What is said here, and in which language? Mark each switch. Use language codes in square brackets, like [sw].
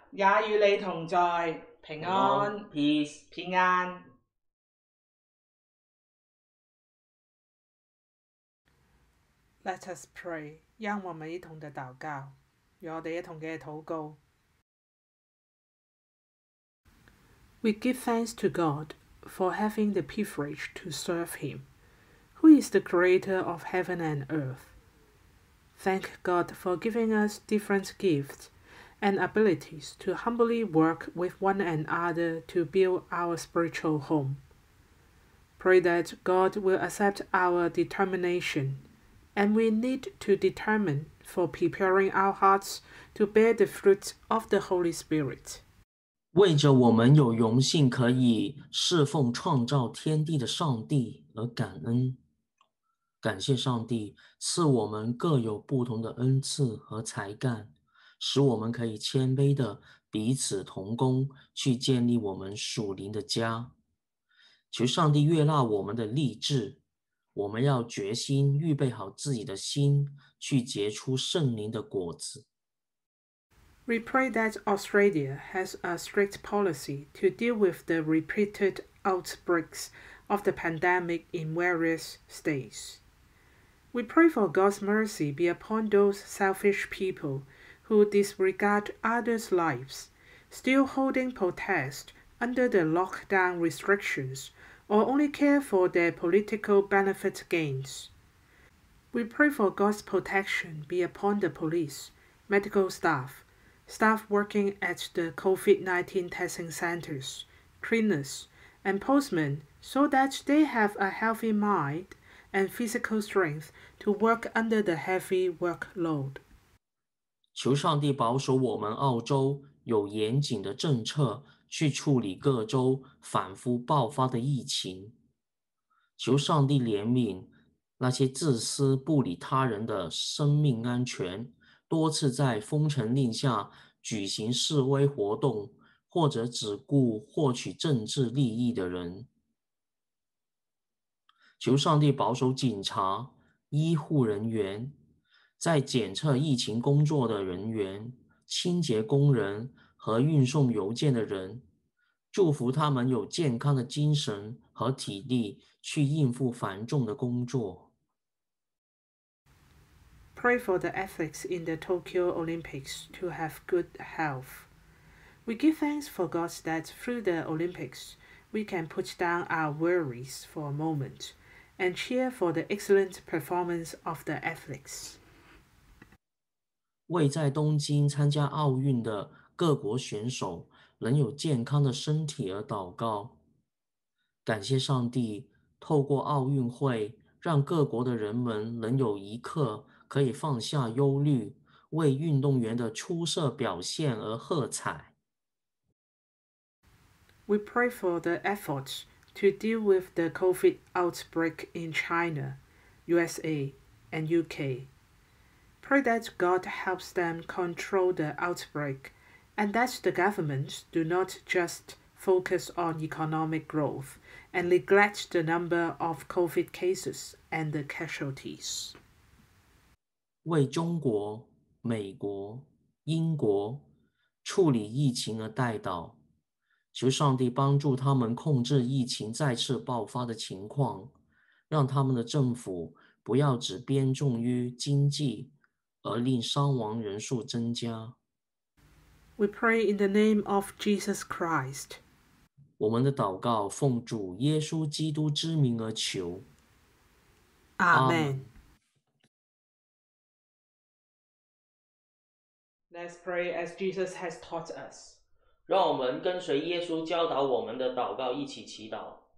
[zh] 也与你同在。平安。 [en] Peace. [zh] 平安。 [en] Let us pray. [zh] 让我们一同的祷告，与我们一同的祷告。 [en] We give thanks to God for having the privilege to serve Him, who is the Creator of heaven and earth. Thank God for giving us different gifts and abilities to humbly work with one another to build our spiritual home. Pray that God will accept our determination, and we need to determine for preparing our hearts to bear the fruit of the Holy Spirit. [zh] 为着我们有荣幸可以侍奉创造天地的上帝而感恩，感谢上帝赐我们各有不同的恩赐和才干，使我们可以谦卑地彼此同工，去建立我们属灵的家。求上帝悦纳我们的立志，我们要决心预备好自己的心，去结出圣灵的果子。 [en] We pray that Australia has a strict policy to deal with the repeated outbreaks of the pandemic in various states. We pray for God's mercy be upon those selfish people who disregard others' lives, still holding protest under the lockdown restrictions, or only care for their political benefit gains. We pray for God's protection be upon the police, medical staff working at the COVID-19 testing centers, cleaners, and postmen so that they have a healthy mind and physical strength to work under the heavy workload. [zh] 求上帝保守我们澳洲有严谨的政策去处理各州反复爆发的疫情。求上帝怜悯那些自私不理他人的生命安全。多次在封城令下举行示威活动，或者只顾获取政治利益的人，求上帝保守警察、医护人员，在检测疫情工作的人员、清洁工人和运送邮件的人，祝福他们有健康的精神和体力去应付繁重的工作。 [en] Pray for the athletes in the Tokyo Olympics to have good health. We give thanks for God that through the Olympics, we can put down our worries for a moment and cheer for the excellent performance of the athletes. [zh] 为在东京参加奥运的各国选手能有健康的身体而祷告，感谢上帝，透过奥运会让各国的人们能有一刻可以放下忧虑，为运动员的出色表现而喝彩。 [en] We pray for the efforts to deal with the COVID outbreak in China, USA, and UK. Pray that God helps them control the outbreak and that the governments do not just focus on economic growth and neglect the number of COVID cases and the casualties. [zh] 为中国、美国、英国处理疫情而代祷，求上帝帮助他们控制疫情再次爆发的情况，让他们的政府不要只偏重于经济，而令伤亡人数增加。 [en] We pray in the name of Jesus Christ. [zh] 我们的祷告奉主耶稣基督之名而求，阿门。 [en] Amen. Let's pray as Jesus has taught us. [zh] 让我们跟随耶稣教导我们的祷告一起祈祷。